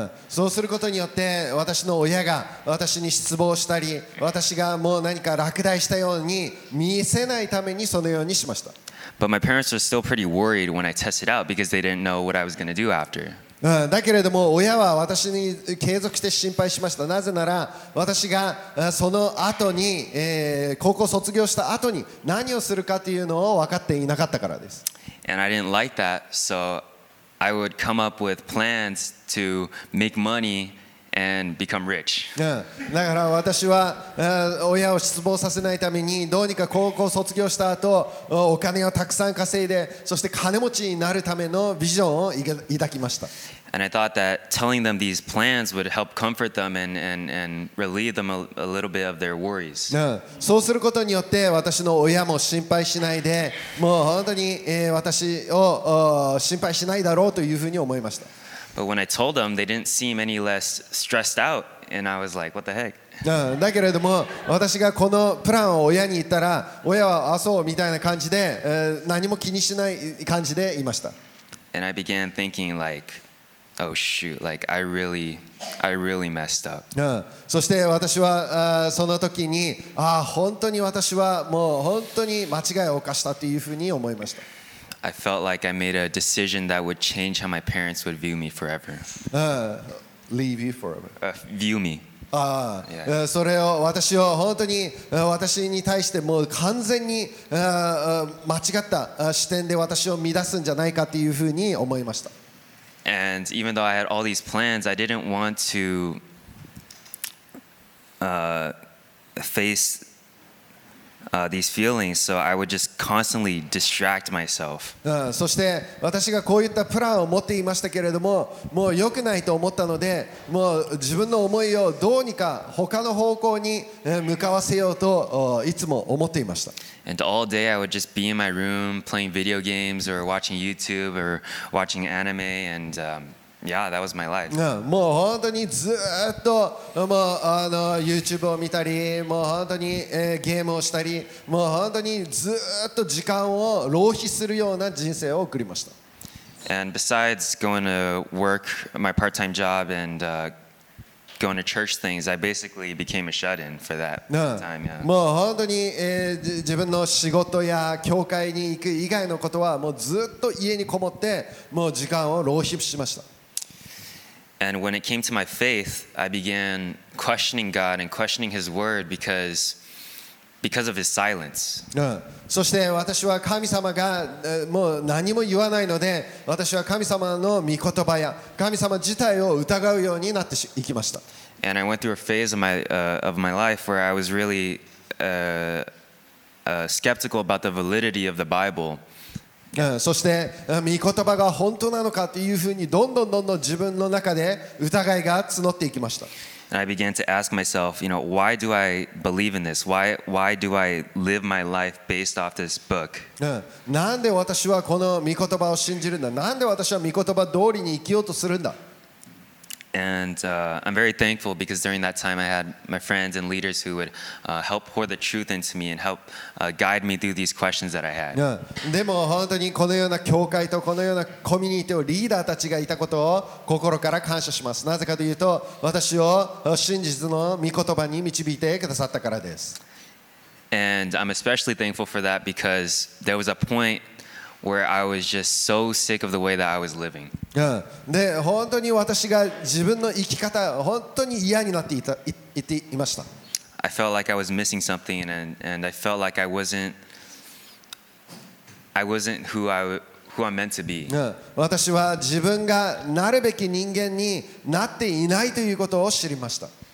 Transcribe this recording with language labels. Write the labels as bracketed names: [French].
[Japanese] そうすることによって私の親が私に失望したり、私がもう何か落第したように見せないためにそのようにしました。 [English] But my parents were still pretty worried when I tested out because they didn't know what I was going to do after. [Japanese] だけれども親は私に継続して心配しました。なぜなら私がその後に高校卒業した後に何をするかというのを分かっていなかったからです。 [English] And I didn't like that, so I would come up with plans to make money and become rich. [Japanese] だから私は親を失望させないためにどうにか高校卒業した後お金をたくさん稼いで、そして金持ちになるためのビジョンを抱きました。 [English] And I thought that telling them these plans would help comfort them and relieve them a little bit of their worries. [Japanese] そうすることによって私の親も心配しないで、もう本当に私を心配しないだろうというふうに思いました。 [English] But when I told them, they didn't seem any less stressed out, and I was like, "What the heck?" [Japanese] だけれども、私がこのプランを親に言ったら、親はあそうみたいな感じで、何も気にしない感じでいました。 [English] And I began thinking like, "Oh shoot! Like I really messed up." [Japanese] そして私はその時に、ああ本当に私はもう本当に間違いを犯したというふうに思いました。 [English] I felt like I made a decision that would change how my parents would view me forever. Leave you forever. View me. [Japanese] それを私を本当に私に対してもう完全に間違った視点で私を乱すんじゃないかというふうに思いました。 [English] And even though I had all these plans, I didn't want to face. These feelings, so I would just constantly distract myself. [Japanese] そして私がこういったプランを持っていましたけれども、もう良くないと思ったので、もう自分の思いをどうにか他の方向に向かわせようといつも思っていました。 [English] And all day I would just be in my room playing video games or watching YouTube or watching anime and, yeah, that was my life. [Japanese] もう本当にずっと、もうYouTube を見たり、もう本当にゲームをしたり、もう本当にずっと時間を浪費するような人生を送りました。 [English] And besides going to work my part-time job and going to church things, I basically became a shut-in for that time. Yeah. [Japanese] もう本当に自分の仕事や教会に行く以外のことはもうずっと家にこもって、もう時間を浪費しました。 [English] And when it came to my faith, I began questioning God and questioning His word because of His silence. [Japanese] そして私は神様がもう何も言わないので、私は神様の御言葉や神様自体を疑うようになっていきました。 [English] And I went through a phase of my life where I was really skeptical about the validity of the Bible. [Japanese] そして御言葉が本当なのかというふうにどんどんどんどん自分の中で疑いが募っていきました。 [English] And I began to ask myself, you know, why do I believe in this? Why do I live my life based off this book? [Japanese] なんで私はこの御言葉を信じるんだ？なんで私は御言葉通りに生きようとするんだ？ [English] And I'm very thankful because during that time I had my friends and leaders who would help pour the truth into me and help guide me through these questions that I had. [Japanese] でも本当にこのような教会とこのようなコミュニティをリーダーたちがいたことを心から感謝します。なぜかというと私を真実の御言葉に導いてくださったからです。 [English] And I'm especially thankful for that because there was a point where I was just so sick of the way that I was living. [Japanese] で、本当に私が自分の生き方、本当に嫌になっていた、言っていました。 [English] I felt like I was missing something and I felt like I wasn't who I'm meant to be. [Japanese] 私は自分がなるべき人間になっていないということを知りました。